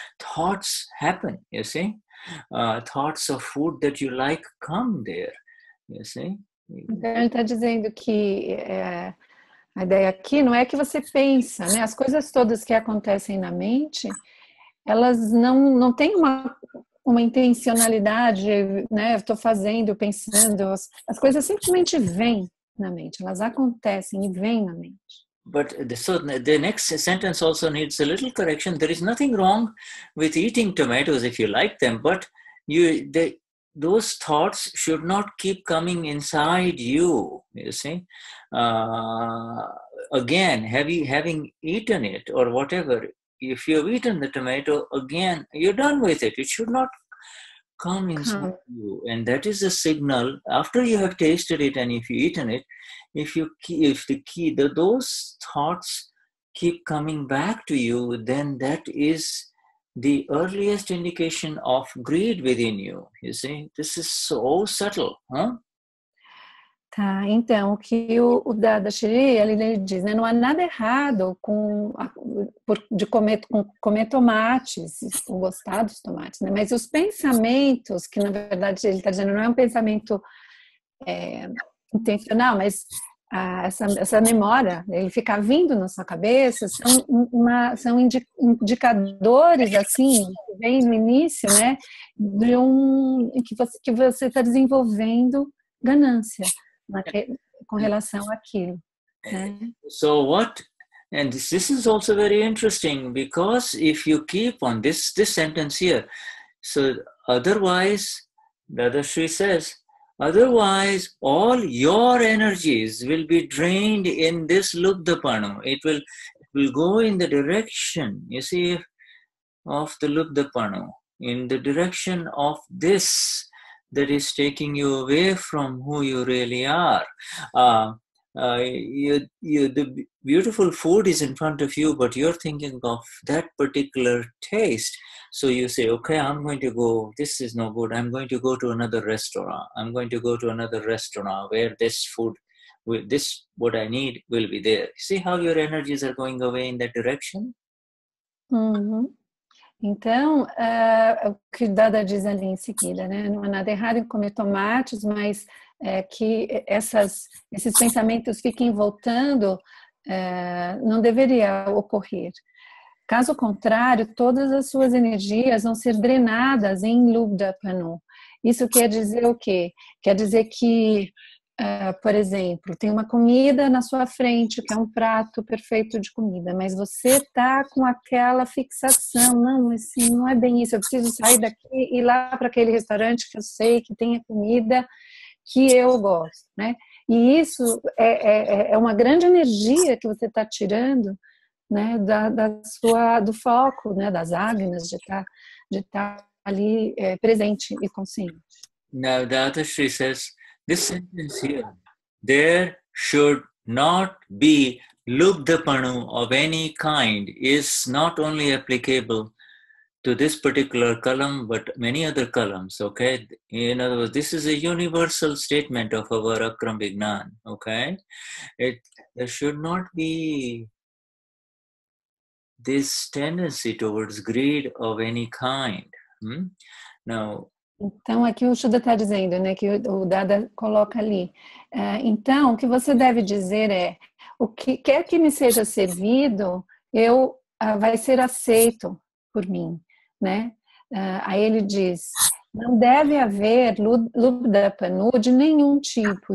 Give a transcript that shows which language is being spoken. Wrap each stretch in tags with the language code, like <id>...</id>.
<en>Thoughts happen, you see. Thoughts of food that you like come there, you see.</en> <pt>Então ele está dizendo que é, a ideia aqui não é que você pensa, né? As coisas todas que acontecem na mente, elas não têm uma intencionalidade, né? Eu estou fazendo, pensando. As coisas simplesmente vêm na mente. Elas acontecem e vêm na mente.</pt> <en>But so the next sentence also needs a little correction. There is nothing wrong with eating tomatoes if you like them, but those thoughts should not keep coming inside you. You see, again, having eaten it or whatever, if you've eaten the tomato again, you're done with it. It should not come inside you, and that is a signal after you have tasted it and if you've eaten it. If those thoughts keep coming back to you, then that is the earliest indication of greed within you. You see, this is so subtle, huh?</en> <pt>Tá, então, o que o Dadashri, ele diz, né, não há nada errado comer tomates, com gostar dos tomates, né? Mas os pensamentos, que na verdade ele está dizendo, não é um pensamento intencional, mas essa memória, ele fica vindo na sua cabeça, são indicadores, assim, bem no início, né, de que você está desenvolvendo ganância com relação àquilo. Né?</pt> <en>So what, and this is also very interesting, because if you keep on this sentence here, so otherwise, Dadashri says, otherwise, all your energies will be drained in this lubdhapanoo. It will go in the direction, you see, of the lubdhapanoo, in the direction of this that is taking you away from who you really are. The beautiful food is in front of you, but you're thinking of that particular taste. So you say, okay, I'm going to go, this is no good, I'm going to go to another restaurant. I'm going to go to another restaurant where this food, what I need will be there. See how your energies are going away in that direction?</en> <pt>Então, o que Dada diz ali em seguida, né? Não há nada errado em comer tomates, mas que esses pensamentos fiquem voltando não deveria ocorrer. Caso contrário, todas as suas energias vão ser drenadas em lubdhapanoo. Isso quer dizer o quê? Quer dizer que Por exemplo, tem uma comida na sua frente, que é um prato perfeito de comida, mas você está com aquela fixação, não, assim, não é bem isso, eu preciso sair daqui e ir lá para aquele restaurante que eu sei que tem a comida que eu gosto, né? E isso é uma grande energia que você está tirando, né, do foco, né, das agnas, de estar ali presente e consciente.</pt> <en>Now, Dadashri says, this sentence here, there should not be lubdhapanoo of any kind, is not only applicable to this particular kalam, but many other kalams, okay? In other words, this is a universal statement of our Akram Vignan, okay? There should not be this tendency towards greed of any kind. Now,</en> <pt>então, aqui o Shuddha está dizendo, né, que o Dada coloca ali. Então, o que você deve dizer é, o que quer que me seja servido, vai ser aceito por mim. Né? Aí ele diz, não deve haver lubdhapanoo de nenhum tipo.</pt>